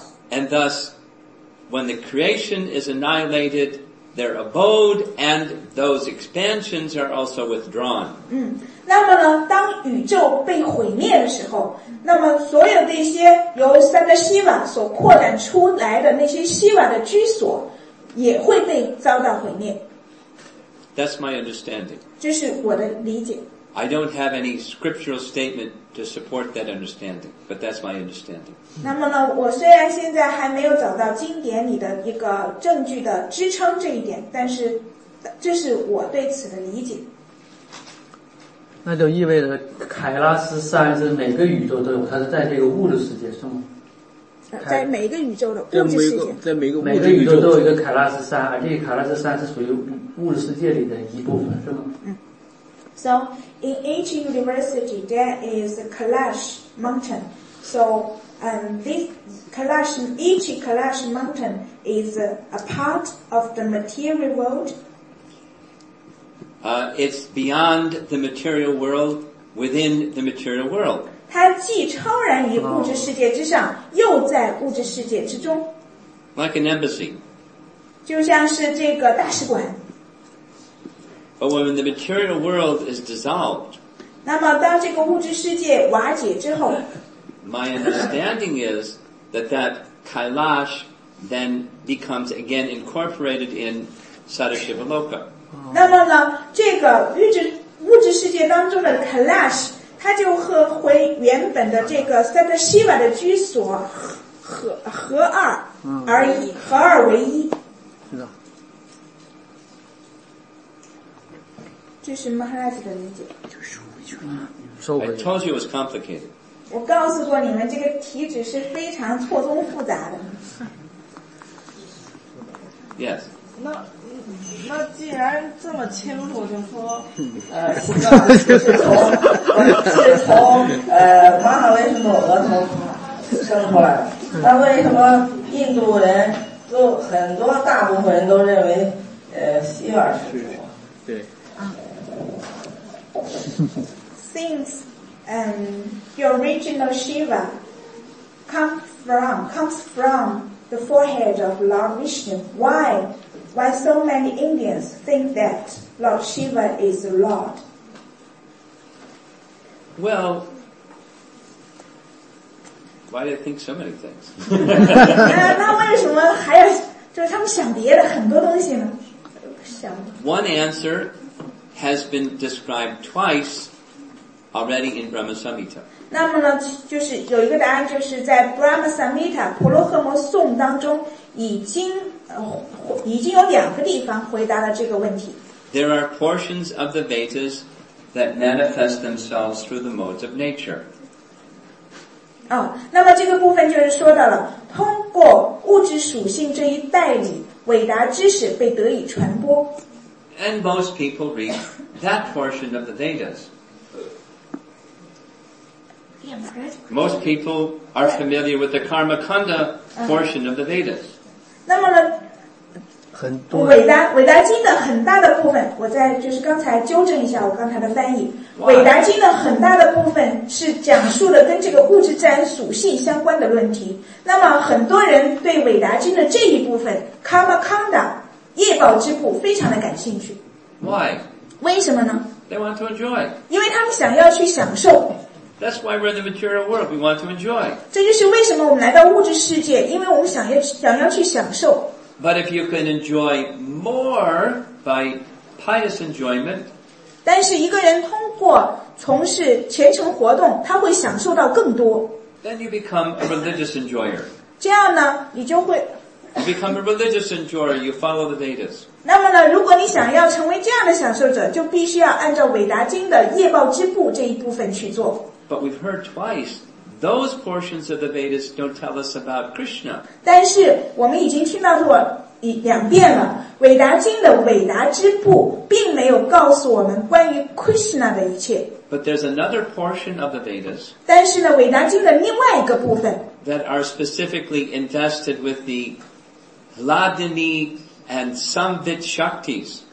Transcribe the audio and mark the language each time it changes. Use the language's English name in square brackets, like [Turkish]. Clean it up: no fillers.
[English] And thus, when the creation is annihilated, their abode and those expansions are also withdrawn. [Chinese] 那么呢，当宇宙被毁灭的时候，那么所有这些由三个希望所扩展出来的那些希望的居所也会被遭到毁灭。 [English] That's my understanding. [Chinese] 这是我的理解。 [English] I don't have any scriptural statement to support that understanding, but that's my understanding. [Chinese] 那么呢，我虽然现在还没有找到经典里的一个证据的支撑这一点，但是这是我对此的理解。那就意味着凯拉斯山是每个宇宙都有，它是在这个物质世界是吗？在每个宇宙的物质世界，在每个每个宇宙都有一个凯拉斯山，而这个凯拉斯山是属于物质世界里的一部分，是吗？嗯。 [English] So, in each university, there is a Kailash mountain. So, this Kailash, each Kailash mountain is a part of the material world. It's beyond the material world, within the material world. [Chinese] 它既超然于物质世界之上，又在物质世界之中。 [English] Like an embassy. [Chinese] 就像是这个大使馆。 [English] But when the material world is dissolved, [Chinese] 那么当这个物质世界瓦解之后 [English] my understanding is that Kailash then becomes again incorporated in Sadashiva Loka. [Chinese] 那么呢，这个物质世界当中的 Kailash， 它就和回原本的这个 Sadashiva 的居所合二为一。 [English] I told you it was complicated. [Chinese] 我告诉过你们，这个题旨是非常错综复杂的。 [English] Yes. [Chinese] 那既然这么清楚，就说，是从马哈维什努额头生出来的。那为什么印度人都很多大部分人都认为，希瓦是主？ [English] Since the original Shiva comes from the forehead of Lord Vishnu, why so many Indians think that Lord Shiva is the Lord? Well, why do they think so many things? [Chinese] 那为什么还要就是他们想别的很多东西呢？想 [English] One answer. Has been described twice already in Brahma Samhita. [Chinese] 那么呢，就是有一个答案，就是在 Brahma Samhita 婆罗诃摩颂当中，已经有两个地方回答了这个问题。 [English] There are portions of the Vedas that manifest themselves through the modes of nature. [Chinese] 哦，那么这个部分就是说到了通过物质属性这一代理，伟达知识被得以传播。 [English] And most people read that portion of the Vedas. Most people are familiar with the Karmakanda portion of the Vedas. [Chinese] 那么呢很多伟达经的很大的部分，我再就是刚才纠正一下我刚才的翻译，伟达经的很大的部分是讲述了跟这个物质自然属性相关的论题。那么很多人对伟达经的这一部分 Karma Kanda 业报之部非常的感兴趣。 [English] Why? [Chinese] 为什么呢？ [English] They want to enjoy. [Chinese] 因为他们想要去享受。 [English] That's why we're in the material world. We want to enjoy. [Chinese] 这就是为什么我们来到物质世界，因为我们想要去享受。 [English] But if you can enjoy more by pious enjoyment, [Chinese] 但是一个人通过从事虔诚活动，他会享受到更多。 [English] Then you become a religious enjoyer. [Chinese] 这样呢，你就会。 [English] You become a religious enjoyer. You follow the Vedas. [Chinese] 那么呢，如果你想要成为这样的享受者，就必须要按照韦达经的业报之部这一部分去做。 [English] But we've heard twice. Those portions of the Vedas don't tell us about Krishna. [Chinese] 但是我们已经听到过两遍了，伟达经的伟达之部并没有告诉我们关于 Krishna 的一切。 [English] But there's another portion of the Vedas. [Chinese] 但是呢，伟达经的另外一个部分 [English] that are specifically invested with the Hladini and Samvit Shaktis.